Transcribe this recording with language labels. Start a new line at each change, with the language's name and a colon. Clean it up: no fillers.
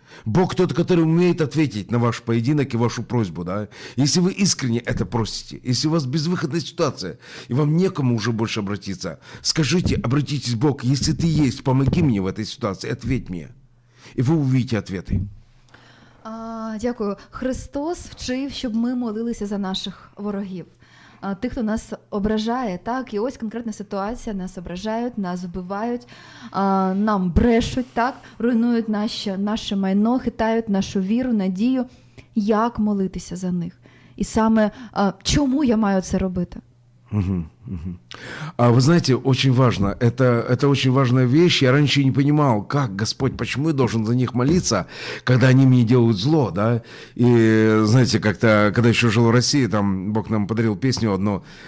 Russian: Бог тот, который умеет ответить на ваш поединок и вашу просьбу, да? Если вы искренне это просите, если у вас безвыходная ситуация, и вам некому уже больше обратиться, скажите, обратитесь к Богу, если ты есть, помоги мне в этой ситуации, ответь мне. И вы увидите ответы.
Ukrainian: Дякую. Христос вчив, щоб ми молилися за наших ворогів. тих, хто нас ображає, так, і ось конкретна ситуація, нас ображають, нас вбивають, нам брешуть, так, руйнують наше майно, хитають нашу віру, надію, як молитися за них. І саме чому я маю це робити?
Russian: А вы знаете, очень важно, это очень важная вещь. Я раньше не понимал, как Господь, почему я должен за них молиться, когда они мне делают зло, да? И знаете, как-то, когда еще жил в России, там Бог нам подарил песню одну.